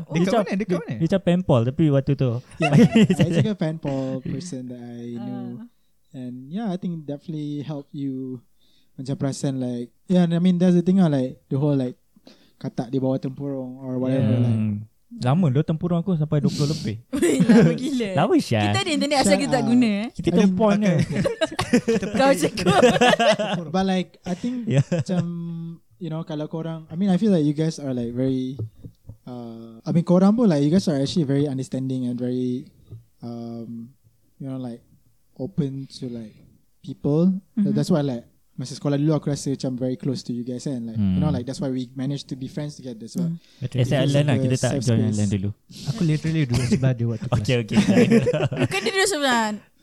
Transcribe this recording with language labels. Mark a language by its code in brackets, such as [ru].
[ms] Dekat mana? Dia macam pen pal tapi waktu tu. [en] Yeah, I think a pen pal person that I knew. And yeah, I think definitely help you [ms] macam [en] present like, yeah, I mean that's the thing lah, like the whole like [ms] katak di bawah tempurung [en] or whatever. [ms] Lama dah tempurung aku sampai 20 lebih. Lama gila. Lama Syah. Kita ada internet asal kita tak guna. Kita tempon ke. Kau cakap. [en] But like, I think macam, you know, [ms] kalau korang, [en] I mean, I feel like you guys are like very, I mean, [ms] korang pun [en] like, you guys are actually very understanding and very, you know, like, open to like, people. That's why like, [ms] masa sekolah dulu aku rasa macam [en] very close to you guys, and like, you know, like, that's why we managed to be friends together. So, [ms] except Alan lah, kita tak join Alan dulu. Aku literally duduk sebelah dia waktu kelas. Okay. Bukan dia duduk sebelah.